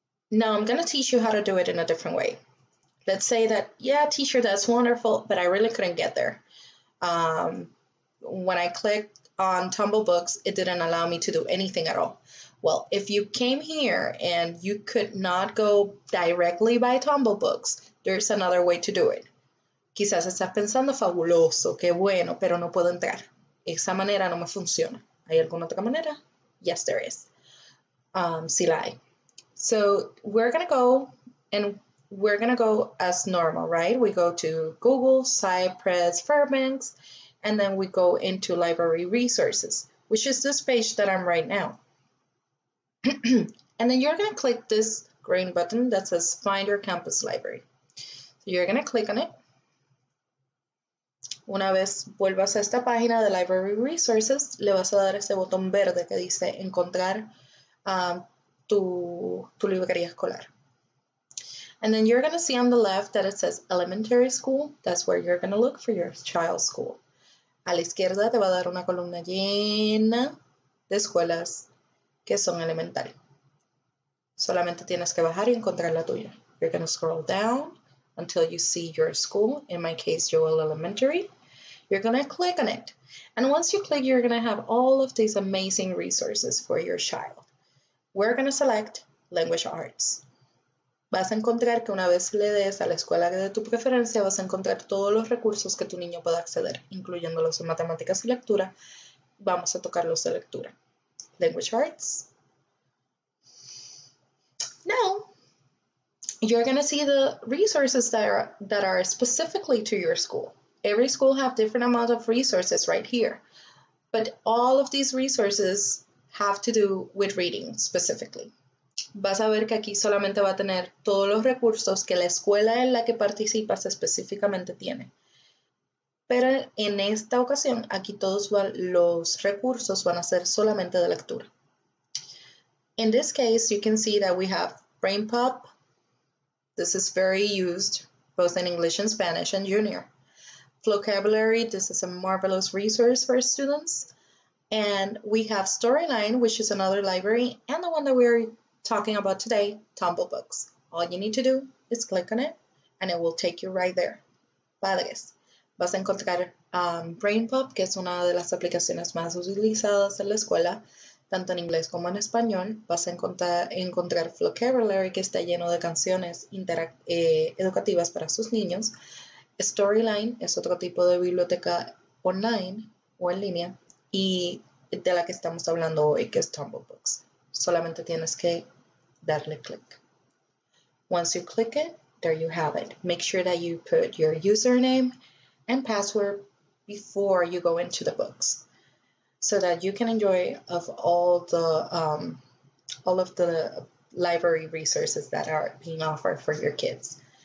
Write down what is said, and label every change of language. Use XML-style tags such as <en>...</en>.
<en>Now I'm going to teach you how to do it in a different way. Let's say that, yeah, teacher, that's wonderful, but I really couldn't get there. When I clicked on Tumble Books, it didn't allow me to do anything at all. Well, if you came here and you could not go directly by Tumble Books, there's another way to do it.</en> <es>Quizás estás pensando, fabuloso, qué bueno, pero no puedo entrar. Esa manera no me funciona. ¿Hay alguna otra manera?</es> <en>Yes, there is.</en> <es>Sí la hay.</es> <en>So we're going to go and we're going to go as normal, right? We go to Google, Cypress, Fairbanks, and then we go into Library Resources, which is this page that I'm right now. And then you're going to click this green button that says Find Your Campus Library. So you're going to click on it.</en> <es>Una vez vuelvas a esta página de Library Resources, le vas a dar ese botón verde que dice encontrar tu librería escolar.</es> <en>And then you're going to see on the left that it says Elementary School. That's where you're going to look for your child's school.</en> <es>A la izquierda te va a dar una columna llena de escuelas que son elementary. Solamente tienes que bajar y encontrar la tuya.</es> <en>You're going to scroll down until you see your school. In my case, Jowell Elementary. You're going to click on it. And once you click, you're going to have all of these amazing resources for your child. We're going to select Language Arts.</en> <es>Vas a encontrar que una vez le des a la escuela de tu preferencia, vas a encontrar todos los recursos que tu niño pueda acceder, incluyendo los de matemáticas y lectura. Vamos a tocar los de lectura. Language Arts.</es> <en>Now, you're going to see the resources that are specifically to your school. Every school have different amount of resources right here, but all of these resources have to do with reading specifically.</en> <es>Vas a ver que aquí solamente va a tener todos los recursos que la escuela en la que participas específicamente tiene. Pero en esta ocasión, aquí todos los recursos van a ser solamente de lectura.</es> <en>In this case, you can see that we have BrainPop. This is very used both in English and Spanish and Junior. Vocabulary, this is a marvelous resource for students. And we have Storyline, which is another library, and the one that we are talking about today, Tumble Books. All you need to do is click on it, and it will take you right there.</en> <es>Padres, vas a encontrar BrainPop, que es una de las aplicaciones más utilizadas en la escuela. Tanto en inglés como en español, vas a encontrar vocabulary que está lleno de canciones educativas para sus niños. Storyline es otro tipo de biblioteca online o en línea y de la que estamos hablando hoy, que es Tumble Books. Solamente tienes que darle click.</es> <en>Once you click it, there you have it. Make sure that you put your username and password before you go into the books, so that you can enjoy of all of the library resources that are being offered for your kids.</en>